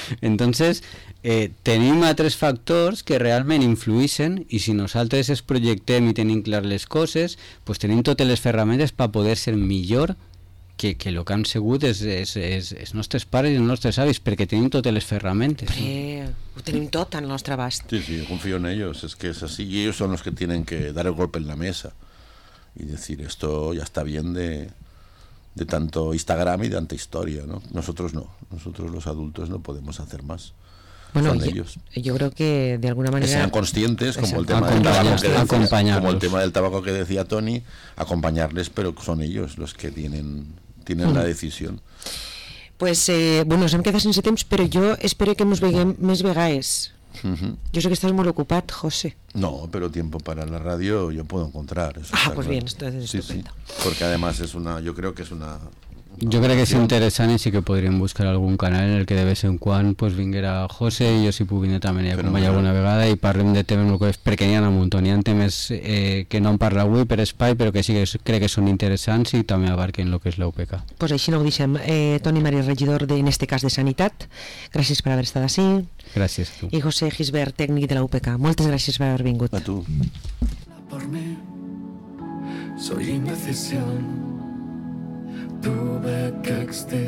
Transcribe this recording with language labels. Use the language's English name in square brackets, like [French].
[Catalan] Entonces, tenim altres factors que realment influïssen i si nosaltres es projectem i tenim clar les coses, pues tenim totes les ferramentes per poder ser millor que el que han sigut és els nostres pares i els nostres avis, perquè tenim totes les ferramentes. Ho tenim tot al nostre abast. Sí, confio en ells, és que és així, i ells són els que tenen que [Spanish] dar el golpe en la mesa [Catalan] i dir, esto ja està bien de tanto Instagram i de tanta història, ¿no? [Spanish] Nosotros no, nosotros los adultos no podemos hacer más. Bueno, son ellos. Yo creo que de alguna manera... Que sean conscientes, como el tema del tabaco que decía, como el tema del tabaco que decía Tony, acompañarles, pero son ellos los que tienen la decisión. Pues, bueno, se han quedado sin ese tiempo, pero yo espero que [Catalan] nos veguem més vegades. [Spanish] Yo sé que estás muy ocupado, José. No, pero tiempo para la radio yo puedo encontrar. Eso ah, pues bien, esto es estupendo. Sí, sí, porque además es una... Yo creo que es una... [Catalan] No, jo crec que és interessant i sí que podríem buscar algun canal en el que de vegades en quan pues, vinguera José i jo si puc vindre també i acompanyar alguna vegada i parlem de temes perquè n'hi ha un munt, n'hi ha temes que no en parla avui per espai però que sí que crec que són interessants i també abarquen el que és l'UPK. Pues així no ho deixem. Toni Maria, regidor de, en este cas de Sanitat, gràcies per haver estat ací. Gràcies tu. I José Gisbert, tècnic de l'UPK, moltes gràcies per haver vingut. A tu. Por mí, soy indecisión. Tuve que extirar.